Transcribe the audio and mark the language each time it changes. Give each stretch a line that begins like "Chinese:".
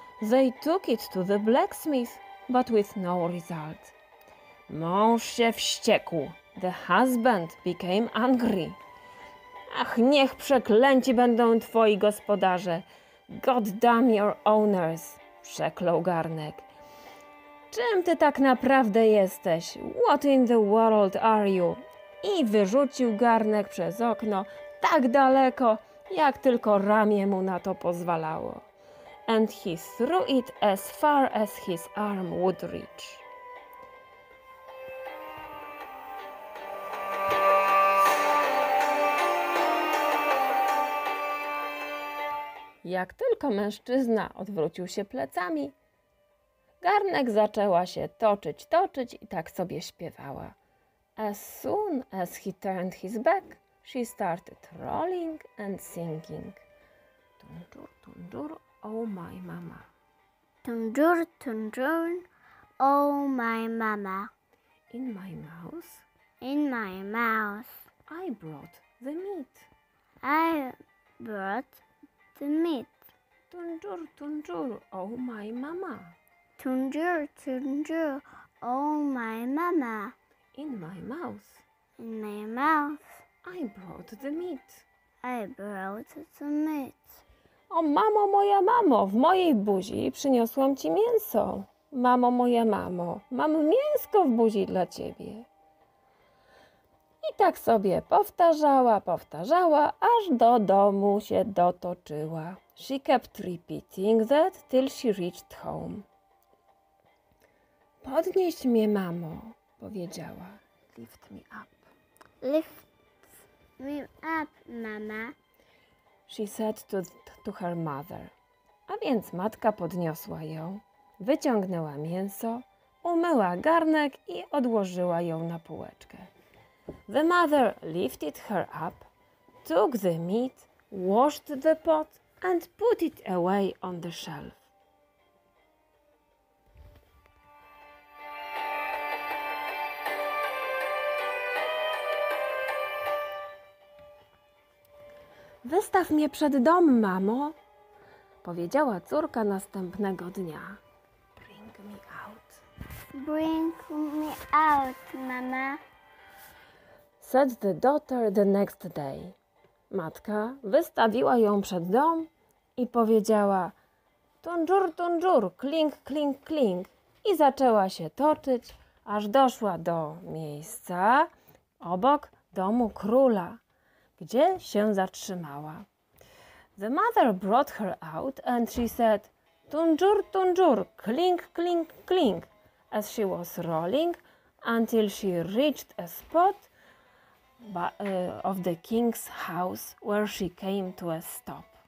English: They took it to the blacksmith, but with no result.
Polish: Mąż się wściekł.
English: The husband became angry.
Polish: Ach, niech przeklęci będą twoi gospodarze.
English: God damn your owners.
Polish: Przeklął garnek. Czym ty tak naprawdę jesteś?
English: What in the world are you?
Polish: I wyrzucił garnek przez okno tak daleko, jak tylko ramię mu na to pozwalało.
English: And he threw it as far as his arm would reach.
Polish: Jak tylko mężczyzna odwrócił się plecami, garnek zaczęła się toczyć, toczyć i tak sobie śpiewała.
English: As soon as he turned his back, she started rolling and singing. Tundur, tundur, oh my mama. Tundur, tundur, oh my mama. In my mouth. In my mouth. I brought the meat. I brought the meat. Tundur, tundur, oh my mama. Tundur, tundur, oh my mama. In my mouth. In my mouth. I brought the meat. I brought the meat.
Polish: O mamo, moja mamo, w mojej buzi przyniosłam ci mięso. Mamo, moja mamo, mam mięsko w buzi dla ciebie. I tak sobie powtarzała, powtarzała, aż do domu się dotoczyła.
English: She kept repeating that till she reached home.
Polish: Podnieś mnie, mamo, powiedziała.
English: Lift me up. Lift me up, mama. She said to her mother.
Polish: A więc matka podniosła ją, wyciągnęła mięso, umyła garnek i odłożyła ją na półeczkę.
English: The mother lifted her up, took the meat, washed the pot and put it away on the shelf.
Polish: Wystaw mnie przed dom, mamo, powiedziała córka następnego dnia.
English: Bring me out. Bring me out, mama. Said the daughter the next day.
Polish: Matka wystawiła ją przed dom i powiedziała: tundżur, tundżur, kling, kling, kling. I zaczęła się toczyć, aż doszła do miejsca obok domu króla, gdzie się zatrzymała.
English: The mother brought her out and she said, tunjur, tunjur, clink, clink, clink, as she was rolling until she reached a spot of the king's house where she came to a stop.